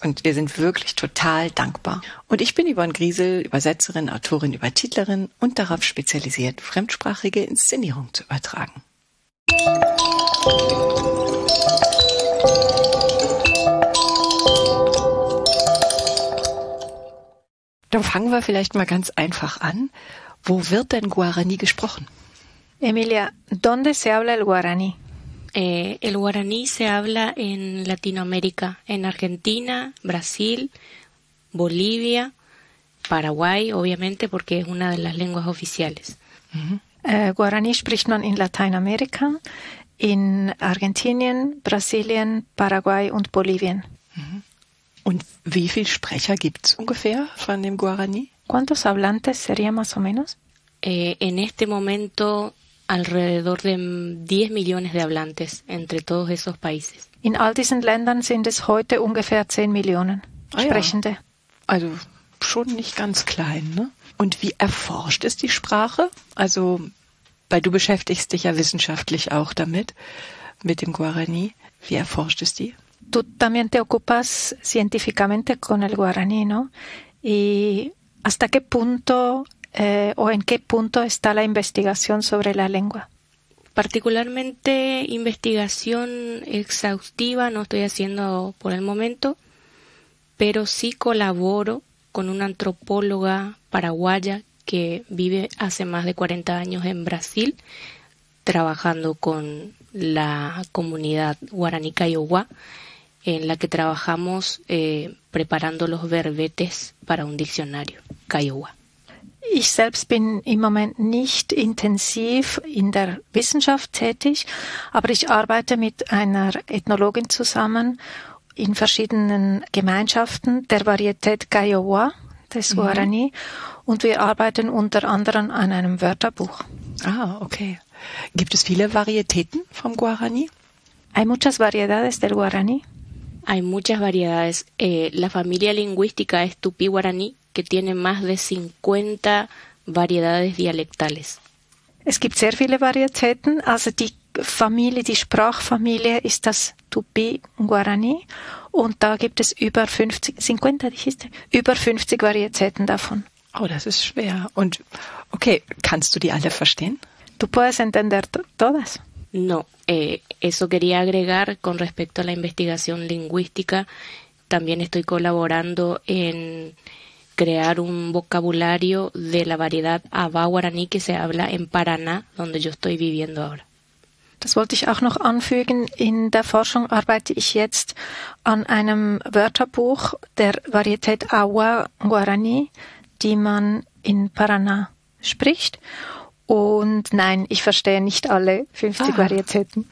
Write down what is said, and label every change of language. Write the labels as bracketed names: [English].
[German] Und wir sind wirklich total dankbar. Und ich bin Yvonne Griesel, Übersetzerin, Autorin, Übertitlerin und darauf spezialisiert, fremdsprachige Inszenierung zu übertragen. Dann fangen wir vielleicht mal ganz einfach an. Wo wird denn Guarani gesprochen? [Spanish] Emilia, ¿dónde se habla el Guarani? El Guarani se habla en Latinoamérica, en Argentina, Brasil, Bolivia, Paraguay, obviamente, porque es una de las lenguas oficiales. [German] Guarani spricht man in Lateinamerika, in Argentinien, Brasilien, Paraguay und Bolivien. Und wie viele Sprecher gibt es ungefähr von dem Guarani? [Spanish] ¿Cuántos hablantes sería más o menos? En este momento alrededor de 10 millones de hablantes entre todos esos países. [German] In all diesen Ländern sind es heute ungefähr 10 Millionen Sprechende. Ja. Also schon nicht ganz klein, ne? Und wie erforscht ist die Sprache? Also, weil du beschäftigst dich ja wissenschaftlich auch damit, mit dem Guarani. Wie erforscht es die? [Spanish] Tú también te ocupas científicamente con el guaraní, ¿no? ¿Y hasta qué punto o en qué punto está la investigación sobre la lengua? Particularmente investigación exhaustiva no estoy haciendo por el momento, pero sí colaboro con una antropóloga paraguaya que vive hace más de 40 años en Brasil, trabajando con la comunidad guaraní Kaiowá, en la que trabajamos preparando los verbetes para un diccionario, Kaiowá. [German] Ich selbst bin im Moment nicht intensiv in der Wissenschaft tätig, aber ich arbeite mit einer Ethnologin zusammen in verschiedenen Gemeinschaften der Varietät Kaiowá, des Guarani, und wir arbeiten unter anderem an einem Wörterbuch. Ah, okay. Gibt es viele Varietäten vom Guarani? [Spanish] Hay muchas variedades del Guarani. Hay muchas variedades. La familia lingüística es tupí-guaraní, que tiene más de 50 variedades dialectales. [German] Es gibt sehr viele Varietäten. Also die Familie, die Sprachfamilie ist das tupí-guaraní. Und da gibt es über 50 Varietäten davon. Oh, das ist schwer. Und okay, kannst du die alle verstehen? [Spanish] Tú puedes entender todas. No, eso quería agregar con respecto a la investigación lingüística. También estoy colaborando en crear un vocabulario de la variedad Aba guaraní que se habla en Paraná, donde yo estoy viviendo ahora. [German] Das wollte ich auch noch anfügen. In der Forschung arbeite ich jetzt an einem Wörterbuch der Varietät Awa guaraní, die man in Paraná spricht. Und nein, ich verstehe nicht alle 50 Varietäten.